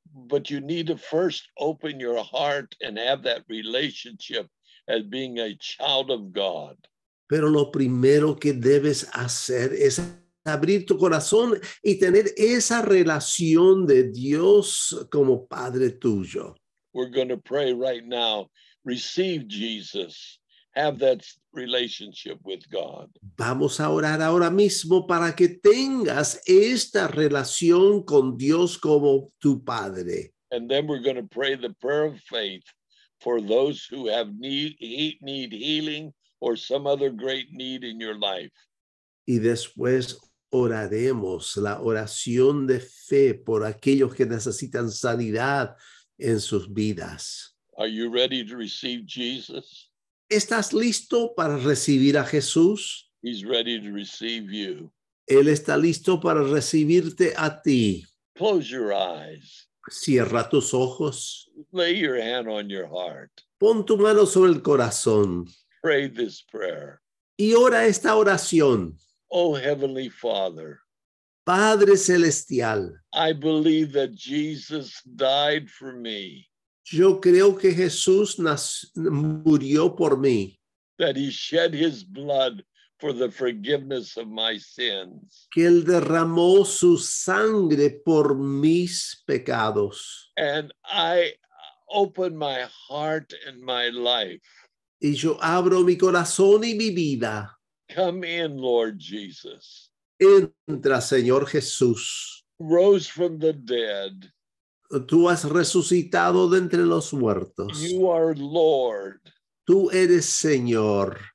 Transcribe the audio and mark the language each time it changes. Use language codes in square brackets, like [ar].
[en] But you need to first open your heart and have that relationship as being a child of God. [es] Pero lo primero que debes hacer es abrir tu corazón y tener esa relación de Dios como Padre tuyo. [en] We're going to pray right now. Receive Jesus. Have that relationship with God. [es] Vamos a orar ahora mismo para que tengas esta relación con Dios como tu Padre. [en] And then we're going to pray the prayer of faith for those who have need healing or some other great need in your life. [es] Y después oraremos la oración de fe por aquellos que necesitan sanidad en sus vidas. [en] Are you ready to receive Jesus? [es] ¿Estás listo para recibir a Jesús? [en] He's ready to receive you. [es] Él está listo para recibirte a ti. [en] Close your eyes. [es] Cierra tus ojos. [en] Lay your hand on your heart. [es] Pon tu mano sobre el corazón. [en] Pray this prayer. [es] Y ora esta oración. [en] Oh, Heavenly Father. [es] Padre Celestial. [en] I believe that Jesus died for me. [es] Yo creo que Jesús murió por mí. [en] That he shed his blood for the forgiveness of my sins. [es] Que él derramó su sangre por mis pecados. [en] And I open my heart and my life. [es] Y yo abro mi corazón y mi vida. [en] Come in, Lord Jesus. [es] Entra, Señor Jesús. [en] Rose from the dead. [es] Tú has resucitado de entre los muertos. [en] You are Lord. [es] Tú eres Señor.